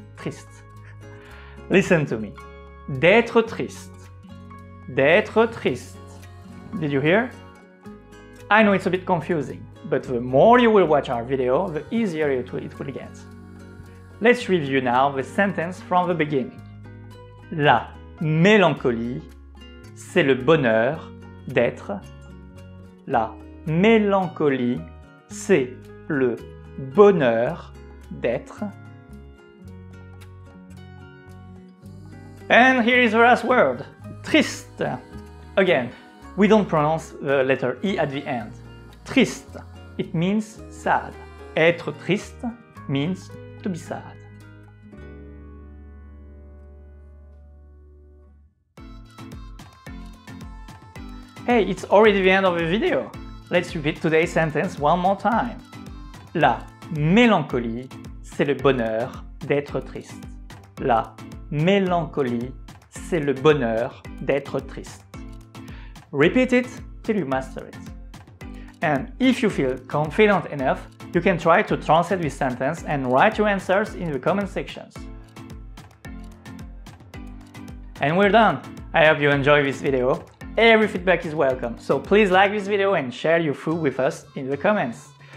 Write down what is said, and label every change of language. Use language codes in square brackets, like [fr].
[fr] Triste. [en] Listen to me. [fr] D'être triste. D'être triste. [en] Did you hear? I know it's a bit confusing, but the more you will watch our video, the easier it will get. Let's review now the sentence from the beginning. [fr] La mélancolie, c'est le bonheur d'être. La mélancolie, c'est le bonheur d'être. [en] And here is the last word, triste. Again, we don't pronounce the letter E at the end. Triste, it means sad. [fr] Être triste [en] means to be sad. Hey, it's already the end of the video. Let's repeat today's sentence one more time. [fr] La mélancolie, c'est le bonheur d'être triste. La mélancolie, c'est le bonheur d'être triste. [en] Repeat it till you master it. And if you feel confident enough, you can try to translate this sentence and write your answers in the comment sections. And we're done. I hope you enjoy this video. Every feedback is welcome, so please like this video and share your food with us in the comments.